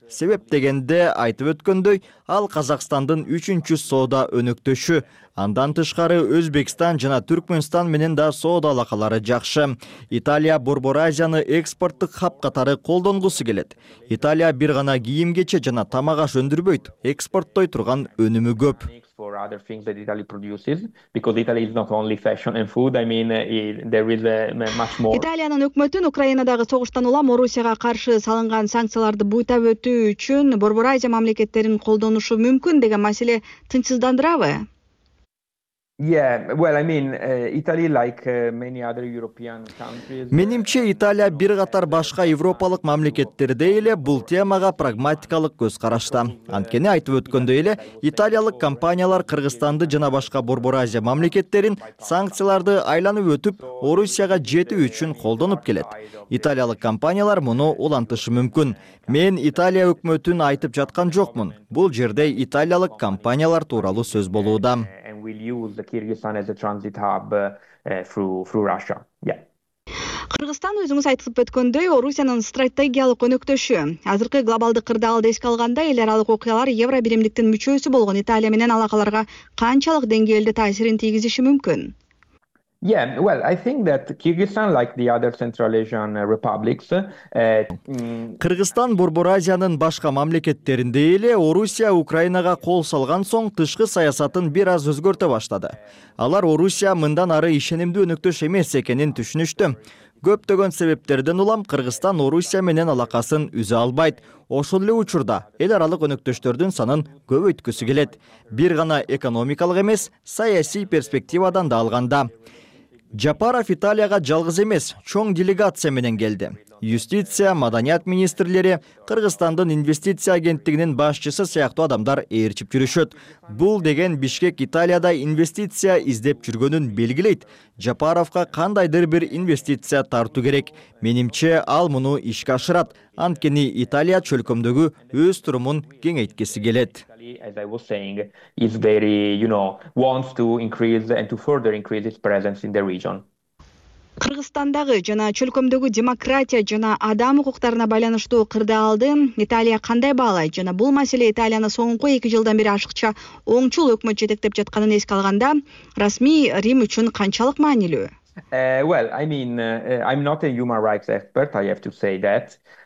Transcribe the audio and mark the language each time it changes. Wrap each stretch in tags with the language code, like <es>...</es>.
<ky>Себеп дегенде айтып өткөндөй, ал Казакстандын 3-чү соода өнөктөшү. Андан тышкары Өзбекстан жана Түркмөнстан менен да соода алакалары жакшы. Италия Борбор Азияны экспорттук хаб катары колдонгусу келет. Италия бир гана кийим кече жана тамак аш өндүрбөйт, экспорттой турган өнүмү көп.</ky> <en>For other things that Italy produces, because Italy is not only fashion and food. I mean, there is much more.</en> <ky>Италиянын өкмөтүн Украинадагы согуштан улам Орусияга каршы салынган санкцияларды буйтап өтүү үчүн Борбор Азия мамлекеттерин колдонушу мүмкүн деген маселе тынчсыздандырабы?</ky> <en>Yeah, well, I mean, Italy, like many other European countries.</en> <ky>Менимче Италия бир катар башка европалык мамлекеттерде эле бул темага прагматикалык көз карашта. Анткени айтып өткөндөй эле, италиялык компаниялар Кыргызстанды жана башка Борбор Азия мамлекеттерин санкцияларды айланып өтүп, Орусияга жетүү үчүн колдонуп келет. Италиялык компаниялар муну улантышы мүмкүн. Мен Италия өкмөтүн айтып жаткан жокмун. Бул жерде италиялык компаниялар тууралуу сөз болууда.</ky> <en>Use the Kyrgyzstan as a transit hub through Russia. Yeah.</en> <ky>Кыргызстан өзүңүз айтып өткөндөй Орусиянын стратегиялык өнөктөшү. Азыркы глобалдык кырдаалды эске алганда эл аралык окуялар Евробиримдиктин мүчөсү болгон Италия менен алакаларга канчалык деңгээлде таасирин тийгизиши мүмкүн?</ky> <en>Yeah, well, I think that Kyrgyzstan, like the other Central Asian republics,</en> <ky>Кыргызстан Борбор Азиянын башка мамлекеттеринде эле Орусия Украинага кол салган соң тышкы саясатын бир аз өзгөртө баштады. Алар Орусия мындан ары ишенимдүү өнөктөш эмес экенин түшүнүштү. Көптөгөн себептерден улам Кыргызстан Орусия менен алакасын үзө албайт. Ошол эле учурда эл аралык өнөктөштөрдүн санын көбөйткүсү келет. Бир гана экономикалык эмес, саясий перспективадан да алганда. Жапаров Италияга жалгыз эмес, чоң делегация менен келди. Юстиция, маданият министрлери, Кыргызстандын инвестиция агенттигинин башчысы сыяктуу адамдар ээрчип жүрүшөт. Бул деген Бишкек Италияда инвестиция издеп жүргөнүн белгилейт. Жапаровка кандайдыр бир инвестиция тартуу керек. Менимче ал муну ишке ашырат. Анткени Италия чөлкөмдөгү өз турумун кеңейткиси келет.</ky> <en>As I was saying, is very, you know, wants to increase and to further increase its presence in the region.</en> <ky>Кыргызстандагы жана чөлкөмдөгү демократия жана адам укуктарына байланыштуу кырдаалды Италия кандай баалайт жана бул маселе Италияны соңку 2 жылдан бери ашыкча оңчул өкмөт жетектеп жатканын эске алганда расмий Рим үчүн канчалык маанилүү?</ky> <en>Well, I mean, I'm not a human rights expert, I have to say that.</en>